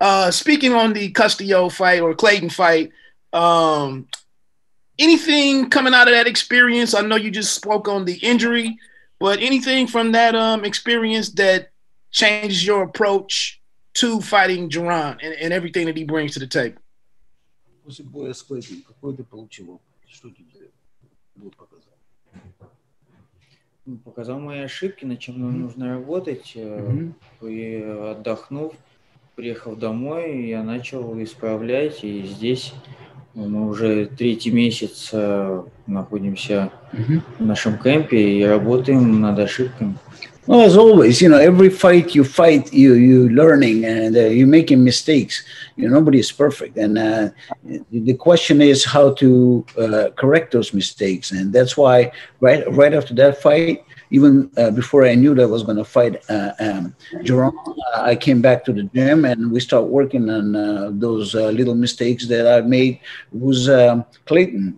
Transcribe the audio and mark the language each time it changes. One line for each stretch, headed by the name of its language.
English: Speaking on the Castillo fight or Clayton fight, anything coming out of that experience? I know you just spoke on the injury, but anything from that experience that changed your approach to fighting Jaron and everything that he brings to the table?
Russian: После боя с Клейтоном, какой ты получил опыт? Что тебе будет показать? Показал мои ошибки, на чем нам нужно работать. И отдохнув, приехал домой, я начал исправлять. И здесь мы уже третий месяц находимся в нашем кемпе и работаем над ошибками.
English: Well, as always, you know, every fight, you're learning and you're making mistakes. You know, nobody is perfect. And the question is how to correct those mistakes. And that's why right after that fight, even before I knew that I was going to fight Jaron, I came back to the gym and we start working on those little mistakes that I made was Clayton.